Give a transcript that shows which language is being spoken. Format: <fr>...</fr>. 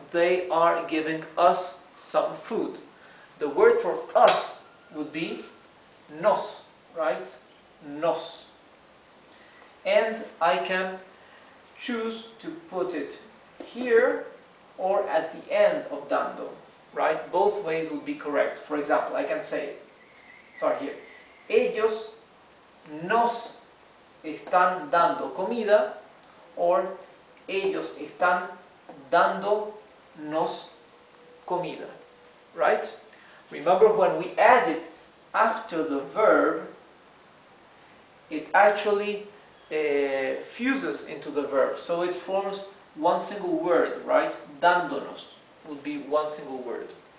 <en>They are giving us some food. The word for us would be nos, right? Nos. And I can choose to put it here or at the end of dando, right? Both ways would be correct. For example, I can say, sorry, here.</en> <es>Ellos nos están dando comida or ellos están dándonos comida, right?</es> <en>Remember, when we add it after the verb, it actually fuses into the verb, so it forms one single word, right? Dándonos would be one single word.</en>